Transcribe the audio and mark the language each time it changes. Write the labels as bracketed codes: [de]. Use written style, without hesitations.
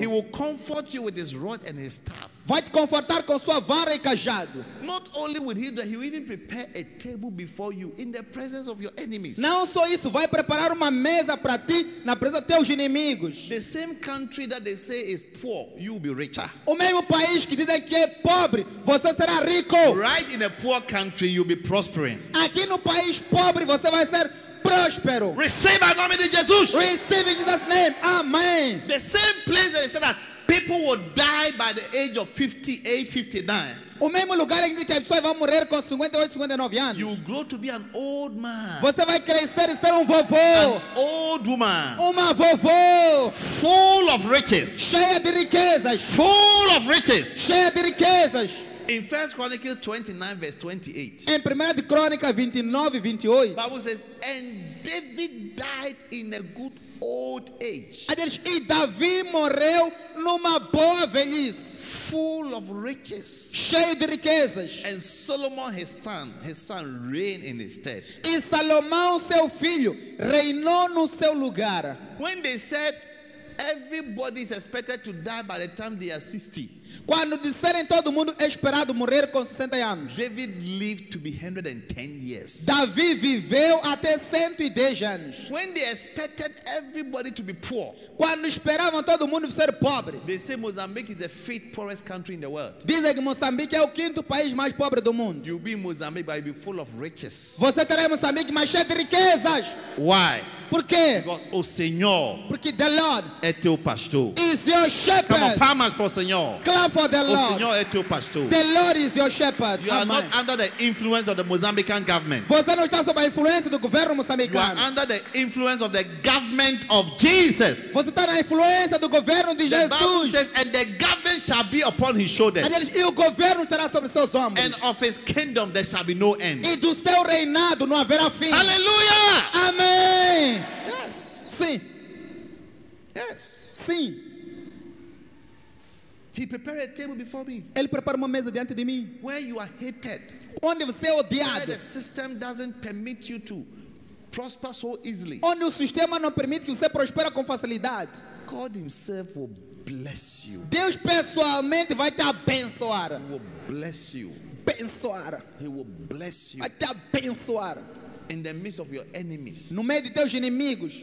[en] He will comfort you with his rod and his staff. [pt] Vai te confortar com sua vara e cajado. [en] Not only with him, but he will even prepare a table before you in the presence of your enemies. [pt] Não só isso, vai preparar uma mesa para ti na presença de teus inimigos. [en] The same country that they say is poor, you will be richer. [pt] O mesmo país que dizem que é pobre, você será rico. [en] Right in a poor country, you'll be prospering. [pt] Aqui no país pobre, você vai ser próspero. [en] Receive our name in Jesus. Receive in Jesus' name. Amen. The same place that he said that people will die by the age of 58, 59. [pt] O mesmo lugar em que a pessoa vai morrer com 58, 59 anos. [en] You grow to be an old man. [pt] Você vai crescer e ser um vovô. [en] An old woman. [pt] Uma vovô. [en] Full of riches. [pt] Cheia de riquezas. [en] Full of riches. [pt] Cheia de riquezas. [en] In 1 Chronicles 29, verse 28. [pt] Em Primeira de Crônica 29, 28. [en] The Bible says, and David died in a good old age. [pt] A Deus, e Davi morreu numa boa velhice. [en] Full of riches. [pt] Cheio de riquezas. [en] And Solomon, his son reigned in his stead. [pt] E Salomão, seu filho, reinou no seu lugar. [en] When they said, everybody is expected to die by the time they are 60. [pt] Quando disserem todo mundo é esperado morrer com 60 anos. [en] David lived to be 110 years. [pt] Davi viveu até 110 anos. [en] When they expected everybody to be poor. [pt] Quando esperavam todo mundo ser pobre. [en] They say Mozambique is the fifth poorest country in the world. [pt] Dizem que Moçambique é o quinto país mais pobre do mundo. [en] You'll be in Mozambique, but you'll be full of riches. [pt] Você terá em Moçambique mais cheio de riquezas. [en] Why? [pt] Por quê? [en] Because [pt] o Senhor. Porque [en] the Lord [pt] é teu pastor. [en] Is your shepherd. Come on, [pt] palmas para o Senhor. [en] Clap for the Lord. [pt] O Senhor é teu pastor. [en] The Lord is your shepherd. You are not under the influence of the Mozambican government. [pt] Você não está sob a influência do governo moçambicano. [en] You are under the influence of the government of Jesus. [pt] Você está na influência do governo de Jesus. [en] The Bible says, and the government shall be upon his shoulders. [pt] E o governo estará sobre seus ombros. [en] And of his kingdom there shall be no end. [pt] E do seu reinado não haverá fim. [en] Hallelujah. [pt] Amém. [en] Yes. [pt] Sim. [en] Yes. [pt] Sim. [en] He prepared a table before me. [pt] Ele preparou uma mesa diante de mim. [en] Where you are hated. [pt] Onde você é odiado. [en] Where the system doesn't permit you to prosper so easily. [pt] Onde o sistema não permite que você prospere com facilidade. [en] God himself will bless you. [pt] Deus pessoalmente vai te abençoar. [en] He will bless you. [pt] Abençoar. [en] He will bless you. [pt] Vai te abençoar. [en] In the midst of your enemies. [pt] No meio de teus inimigos.